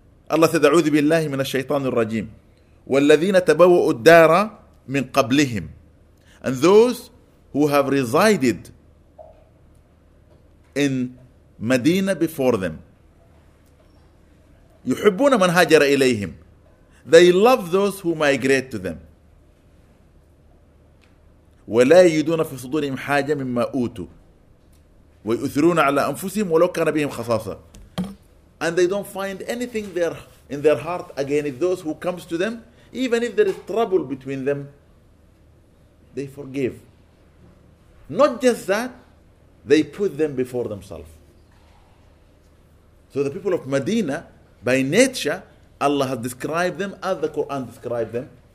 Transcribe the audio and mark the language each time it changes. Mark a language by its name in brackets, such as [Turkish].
[English] Allah said, [Arabic] أعوذ بالله من الشيطان الرجيم والذين تبوؤوا الدار من قبلهم. [English] And those who have resided in Medina before them. [Arabic] يحبون من هاجر إليهم. [English] They love those who migrate to them. [Arabic] ولا يجدون في صدورهم حاجة مما أوتوا ويؤثرون على أنفسهم ولو كان بهم خصاصة. [English] And they don't find anything there in their heart against those who comes to them, even if there is trouble between them, they forgive. Not just that, they put them before themselves. So the people of Medina, by nature, Allah has described them as the Quran described them.